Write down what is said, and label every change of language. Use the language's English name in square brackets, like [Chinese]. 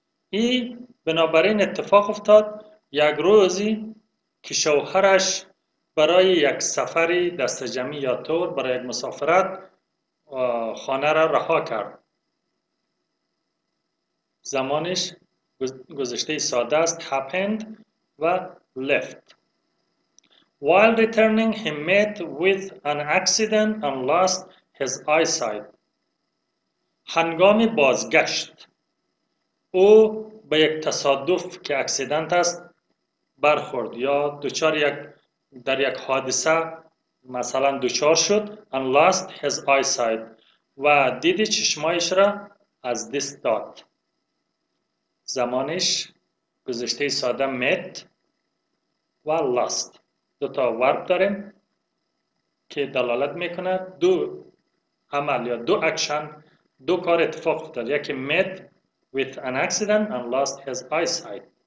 [Persian] ای بنابراین اتفاق افتاد یک روزی که شوهرش برای یک سفری دست جمعی یا تور برای یک مسافرت خانه را رها کرد. زمانش گذشته ساده است happened و left. [English] While returning he met with an accident and lost his eyesight. [Persian] هنگام بازگشت او به یک تصادف که اکسیدنت است برخورد یا دچار یک در یک حادثه مثلا دچار شد [English] and lost his eyesight [Persian] و دید چشمایش را از دست داد. زمانش گذشته ساده met و lost. دو تا ورب داریم که دلالت میکنه دو عمل یا دو اکشن، دو کار اتفاق افتاد. [English] یکی met with an accident and lost his eyesight.